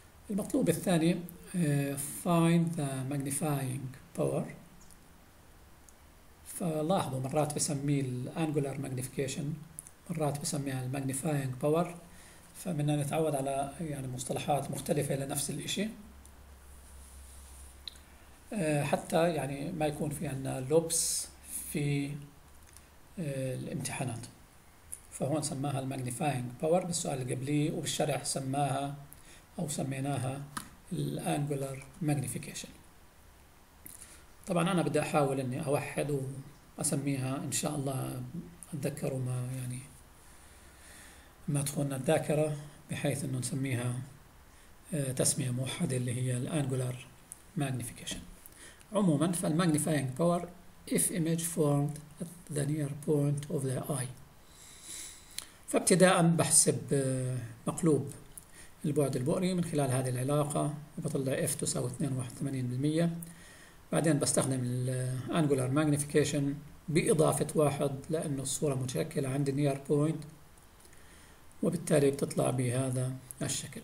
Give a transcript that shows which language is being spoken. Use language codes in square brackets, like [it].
[ar] المطلوب الثاني [en] find the magnifying power. [ar] فلاحظوا مرات بسميه الانجولار ماجنيفيكيشن مرات بسميها الماجنيفاينج باور، فمننا نتعود على يعني مصطلحات مختلفة لنفس الإشي حتى يعني ما يكون في عندنا لوبس في الامتحانات. فهون سماها الماجنيفاينج باور بالسؤال القبلي وبالشرح سماها أو سميناها الانجولار ماجنيفيكيشن. طبعا أنا بدي أحاول إني أوحد وأسميها إن شاء الله أتذكر وما يعني ما تخون الذاكرة، بحيث إنه نسميها تسمية موحدة اللي هي الانجولار ماجنيفيكيشن. عموما فالماجنيفاينج باور [en] if image formed at the near point of the eye. [ar] فابتداء بحسب مقلوب البعد البؤري من خلال هذه العلاقة وبطلع F تساوي 2.81%، بعدين بستخدم الـ Angular Magnification بإضافة واحد لأنه الصورة متشكلة عند Near Point وبالتالي بتطلع بهذا الشكل.